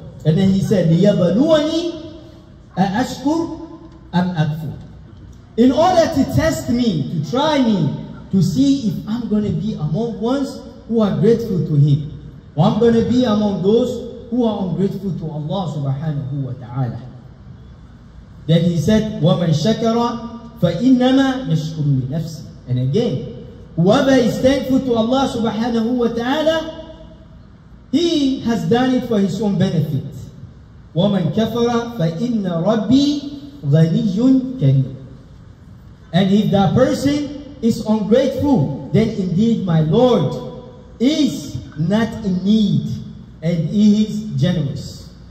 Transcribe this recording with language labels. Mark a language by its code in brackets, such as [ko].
[en] And then he said, [ar] لِيَبَلُوَنِي أَأَشْكُرْ أَمْ أَكْفُرْ. [en] In order to test me, to try me, to see if I'm going to be among ones who are grateful to Him, or I'm going to be among those who are ungrateful to Allah subhanahu wa ta'ala. Then he said, [ar] وَمَنْ شَكَرَ فَإِنَّمَا يَشْكُرُ لِنَفْسِهِ. [en] And again, whoever is thankful to Allah subhanahu wa ta'ala, he has done it for his own benefit. [ar] وَمَنْ كَفَرَ فَإِنَّ رَبِّي غَنِيٌّ كَرِيمٌ. [en] And if that person is ungrateful, then indeed my Lord is not in need and He is generous.